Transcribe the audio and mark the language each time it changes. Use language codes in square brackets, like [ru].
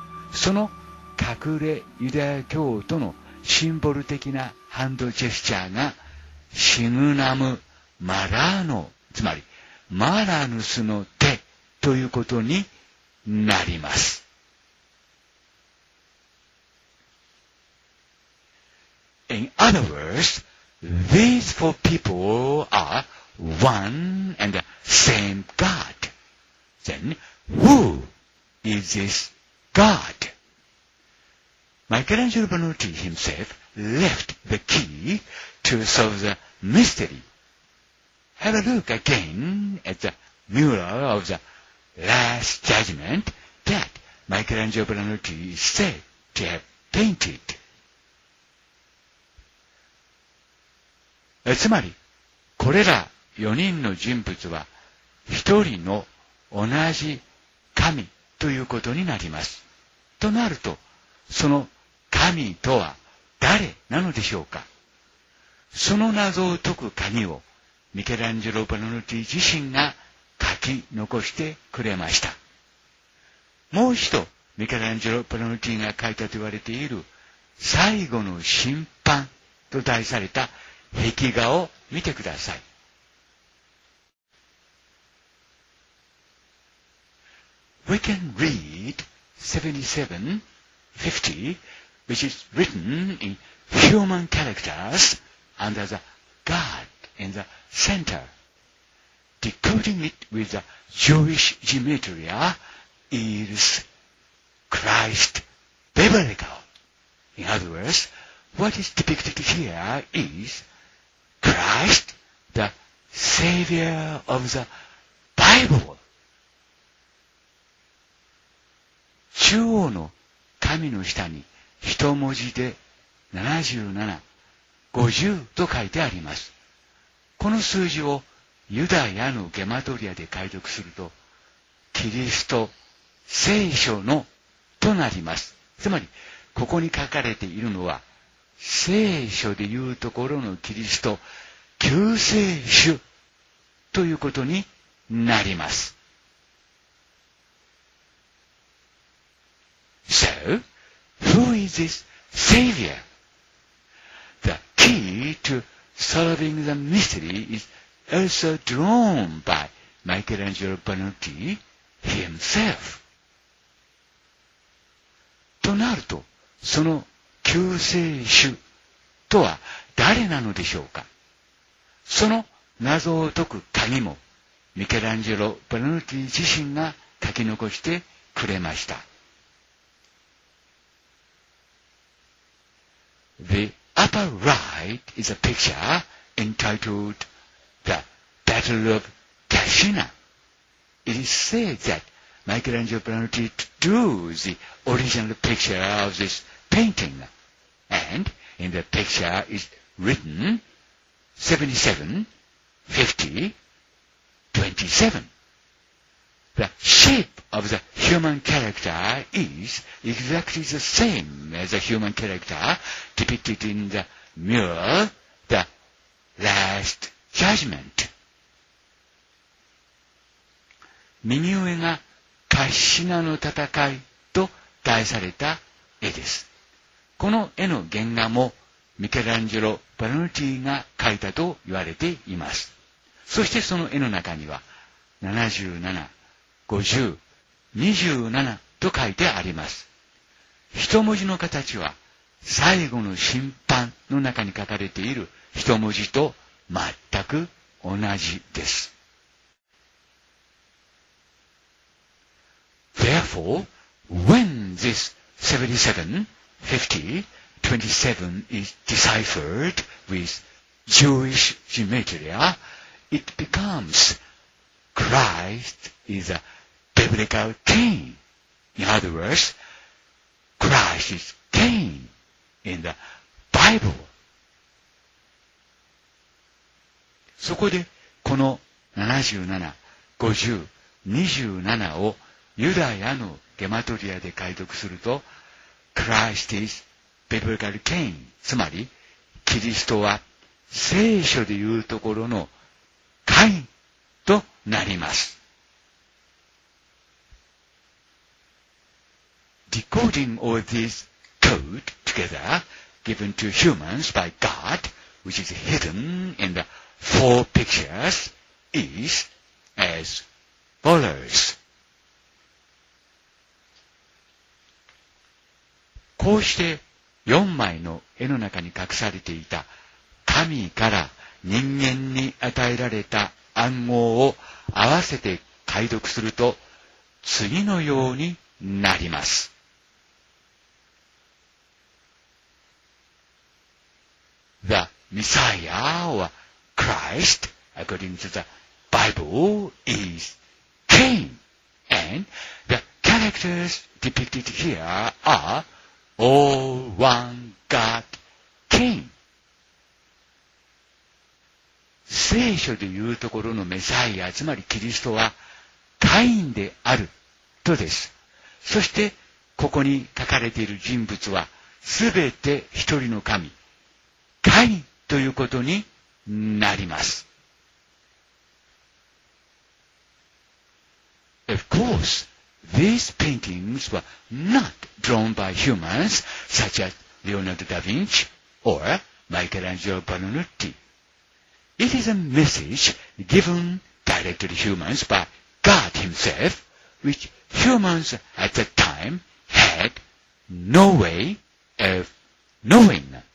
[ja] その隠れユダヤ教徒のシンボル的なハンドジェスチャーがシグナムマラーノ、つまりマラヌスの手ということになります。 [en] In other words, these four people are one and the same God. Then, who is this God? Michelangelo Buonarroti himself left the key to solve the mystery. Have a look again at the mural of the Last Judgment that Michelangelo Buonarroti is said to have painted. [ja] つまりこれら4人の人物は一人の同じ神ということになります。となるとその神とは誰なのでしょうか。その謎を解く鍵をミケランジェロ・ボナノティ自身が書き残してくれました。もう一度ミケランジェロ・ボナノティが書いたと言われている最後の審判と題された壁画を見てください。 [en] We can read 77:50 which is written in human characters under the God in the center. Decoding it with the Jewish gematria is Christ biblical. In other words, what is depicted here isChrist, the Savior of the Bible. [ja] 中央の紙の下に一文字で7750と書いてあります。この数字をユダヤのゲマトリアで解読すると、キリスト、聖書のとなります。つまり、ここに書かれているのは、聖書でいうところのキリスト、救世主ということになります。 [en] So, who is this savior? The key to solving the mystery is also drawn by Michelangelo Buonarroti himself. [ja] となると、その救世主とは誰なのでしょうか? その謎を解く鍵もミケランジェロ・ボナノティ自身が書き残してくれました。 [en] The upper right is a picture entitled The Battle of Cascina. It is said that Michelangelo Buonarroti drew the original picture of this painting, and in the picture is written,77, 50, 27. The shape of the human character is exactly the same as the human character depicted in the mural, the Last Judgment. [ja] 右上がカッシナの戦いと題された絵です。この絵の原画もミケランジェロ・バルノティが描いたと言われています。そしてその絵の中には、77、50、27と書いてあります。一文字の形は、最後の審判の中に書かれている一文字と全く同じです。 [en] Therefore, when this 77, 50, 27 is deciphered with Jewish gematria, it becomes Christ is a biblical king. In other words, Christ is king in the Bible. [ja] そこでこの77、50、27をユダヤのゲマトリアで解読すると、 [en] Christ isビブリカルケイン、 [ja] つまりキリストは聖書でいうところのカインとなります。 [en] coding all this code together given to humans by God, which is hidden in the four pictures, is as follows. [ja] こうして4枚の絵の中に隠されていた神から人間に与えられた暗号を合わせて解読すると次のようになります。 [en] The Messiah or Christ, according to the Bible, is King, and the characters depicted here are All One God King. [ja] 聖書でいうところのメサイア、つまりキリストはカインであるとです。そしてここに書かれている人物はすべて一人の神。神ということになります。 [en] Of course, these paintings were not drawn by humans such as Leonardo da Vinci or Michelangelo Buonarroti. It is a message given directly to humans by God himself, which humans at that time had no way of knowing.